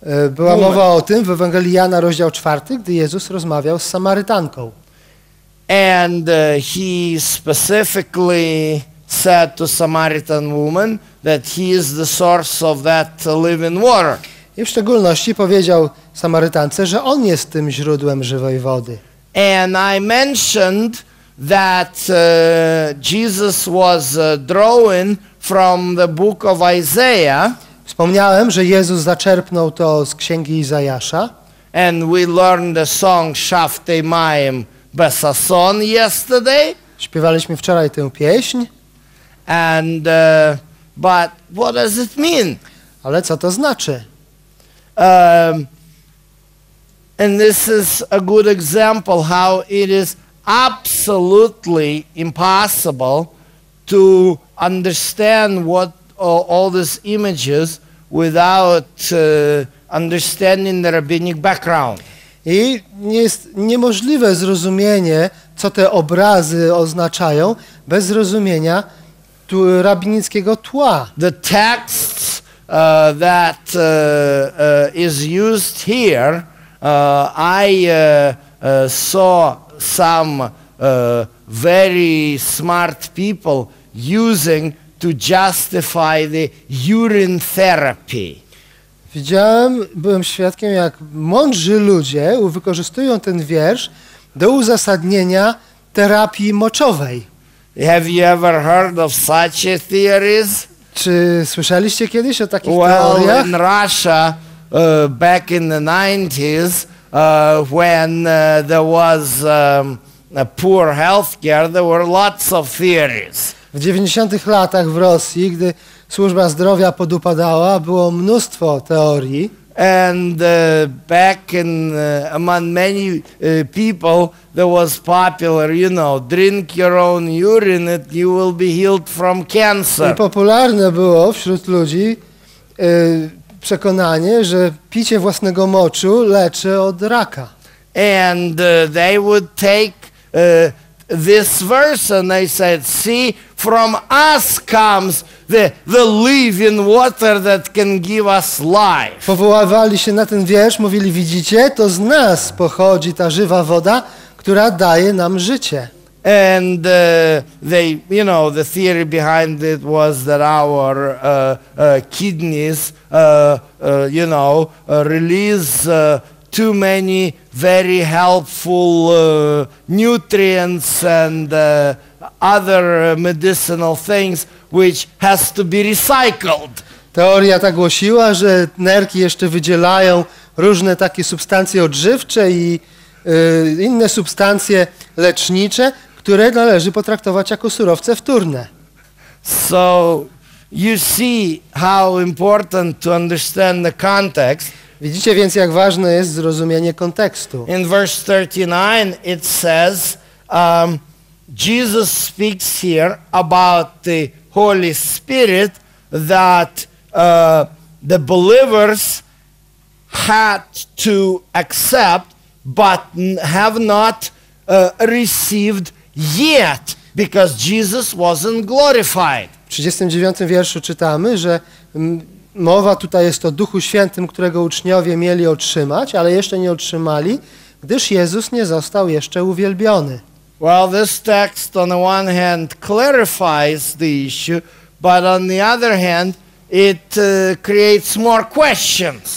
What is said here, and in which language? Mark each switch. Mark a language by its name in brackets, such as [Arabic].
[Polish] Była mowa o tym w Ewangelii Jana rozdział 4, gdy Jezus rozmawiał z Samarytanką. [English] And he specifically said to Samaritan woman that he is the source of that living water. [Polish] I w szczególności powiedział Samarytance, że on jest tym źródłem żywej wody. [English] And I mentioned that Jesus was drawing from the book of Isaiah. [Polish] Wspomniałem, że Jezus zaczerpnął to z księgi Izajasza. [English] And we learned the song Shaftei Maim Besason yesterday. [Polish] Śpiewaliśmy wczoraj tę pieśń. [English] And but what does it mean? [Polish] Ale co to znaczy? [English] And this is a good example how it is absolutely impossible to understand what all these images without understanding the rabbinic background. [Polish] I jest niemożliwe zrozumienie, co te obrazy oznaczają, bez zrozumienia rabinickiego tła. [English] The text that is used here, I saw some very smart people using to justify the urine therapy. [Polish] Widziałem, byłem świadkiem, jak mądrzy ludzie wykorzystują ten wiersz do uzasadnienia terapii moczowej. [English] Have you ever heard of such theories? [Polish] Czy słyszeliście kiedyś o takich teoriach? [English] Well, in Russia, back in the 90s, when there was a poor healthcare, there were lots of theories. [Polish] W 90-tych latach w Rosji, gdy służba zdrowia podupadała, było mnóstwo teorii. [English] And back in among many people there was popular, you know, drink your own urine and you will be healed from cancer. [Polish] I popularne było wśród ludzi przekonanie, że picie własnego moczu leczy od raka. [English] And they would take this verse and they said, see, from us comes the living water that can give us life. [Polish] Powoływali się na ten wiersz, mówili, widzicie, to z nas pochodzi ta żywa woda, która daje nam życie. [English] And they, you know, the theory behind it was that our kidneys, you know, release too many very helpful nutrients and other medicinal things, which has to be recycled. [Polish] Teoria tak głosiła, że nerki jeszcze wydzielają różne takie substancje odżywcze i inne substancje lecznicze, które należy potraktować jako surowce wtórne. [English] So you see how important to understand the context. [Polish] Widzicie więc, jak ważne jest zrozumienie kontekstu. [English] In verse 39 it says, Jesus speaks here about the Holy Spirit that the believers had to accept but have not received yet, because Jesus wasn't glorified. [Polish] W 39 wierszu czytamy, że mowa tutaj jest o Duchu Świętym, którego uczniowie mieli otrzymać, ale jeszcze nie otrzymali, gdyż Jezus nie został jeszcze uwielbiony. [English] Well, this text on the one hand clarifies the issue, but on the other hand It creates more questions.